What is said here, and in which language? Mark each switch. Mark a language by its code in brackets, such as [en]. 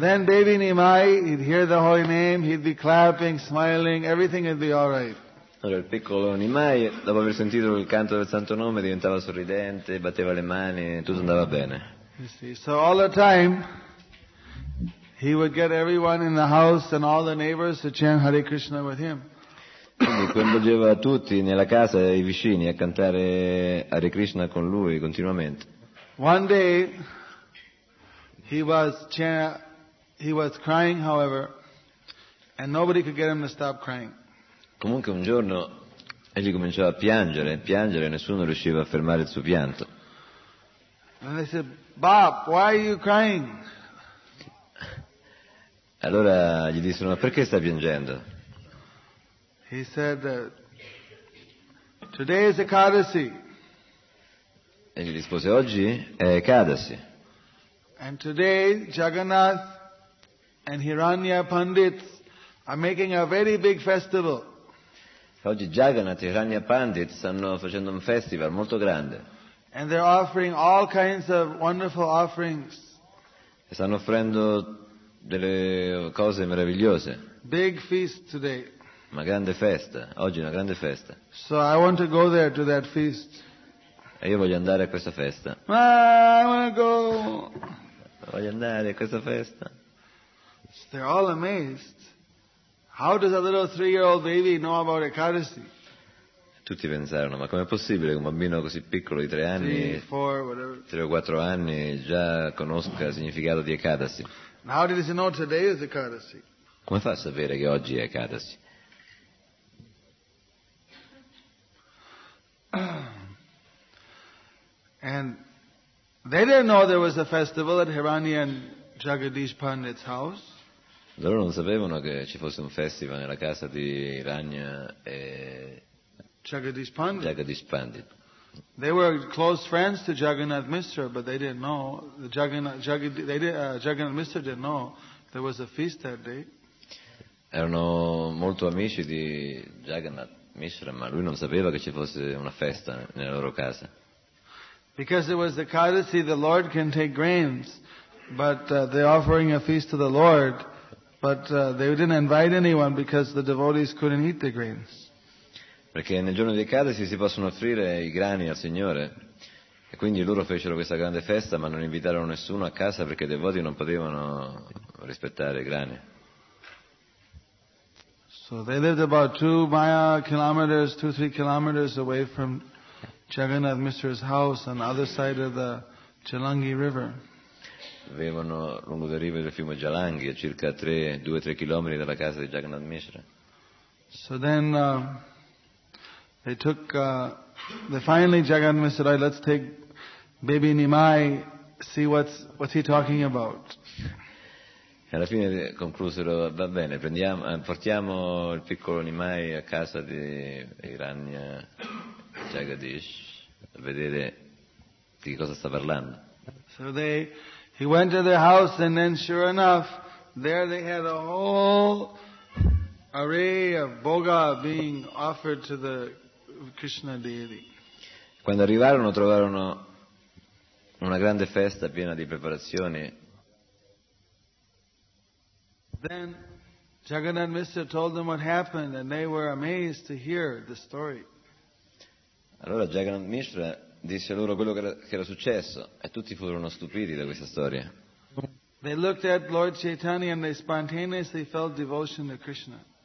[en] Then baby Nimai, he'd hear the holy name, he'd be clapping, smiling, everything would be all right. [it] Allora il piccolo Nimai, dopo aver sentito il canto del santo nome, diventava sorridente, batteva le mani, tutto andava bene. [en] You see, so all the time, he would get everyone in the house and all the neighbors to chant Hare Krishna with him. [it] Quindi coinvolgeva tutti nella casa e i vicini a cantare Hare Krishna con lui continuamente. [en] One day, he was crying, however, and nobody could get him to stop crying. [it] Comunque un giorno egli cominciò a piangere, e nessuno riusciva a fermare il suo pianto. [en] And they said, Bob, why are you crying? [it] Allora gli dissero, ma perché stai piangendo? [en] He said, today is Ekadasi. [it] E gli rispose, oggi è Ekadasi. [en] And today Jagannath and Hiranya Pandits are making a very big festival. [it] Oggi Jagannath e Hiranya Pandit stanno facendo un festival molto grande. [en] And they're offering all kinds of wonderful offerings. [it] E stanno offrendo delle cose meravigliose. [en] Big feast today. [it] Una grande festa, oggi è una grande festa. [en] So I want to go there to that feast. [it] E io voglio andare a questa festa. [en] I want to go. [it] Voglio andare a questa festa. [en] So they're all amazed. How does a little 3-year-old baby know about Ekadasi? [it] Tutti pensarono, ma com'è possibile che un bambino così piccolo di 3 anni, 3 o 4 anni, già conosca il significato di Ekadasi? [en] How did he know today is Ekadasi? [it] Come fa a sapere che oggi è Ekadasi? [en] And they didn't know there was a festival at Hirani and Jagadish Pandit's house. [it] Loro non sapevano che ci fosse un festival nella casa di Hiranya e Jagadish Pandit. Jagadish Pandit. [en] They were close friends to Jagannath Mishra, but they didn't know. Jagannath Mishra didn't know there was a feast that day. [it] Erano molto amici di Jagannath Mishra, ma lui non sapeva che ci fosse una festa nella loro casa. [en] Because it was the Ekadasi, the Lord can take grains, but they're offering a feast to the Lord, but they didn't invite anyone because the devotees couldn't eat the grains. [it] Perché nel giorno di Ekadasi si possono offrire i grani al Signore. E quindi loro fecero questa grande festa, ma non invitarono nessuno a casa perché i devoti non potevano rispettare i grani. [en] So they lived about 2-3 kilometers away from Jagannath Mishra's house on the other side of the Chilangi River. [it] vivono lungo le rive del fiume Jalangi, a circa 2-3 chilometri dalla casa di Jagannath Mishra. [en] So then they took they finally Jagannath Mishra said, let's take baby Nimai, see what's he talking about. [it] Alla fine conclusero, va bene, portiamo il piccolo Nimai a casa di Hiranya Jagadish a vedere di cosa sta parlando. [en] So he went to their house and then sure enough there they had a whole array of boga being offered to the Krishna deity. [it] Quando arrivarono trovarono una grande festa piena di preparazioni. [en] Then Jagannath Mishra told them what happened and they were amazed to hear the story. [it] Allora Jagannath Mishra disse a loro quello che era successo e tutti furono stupiti da questa storia. [en] They looked at Lord Chaitanya and they spontaneously felt devotion to Krishna.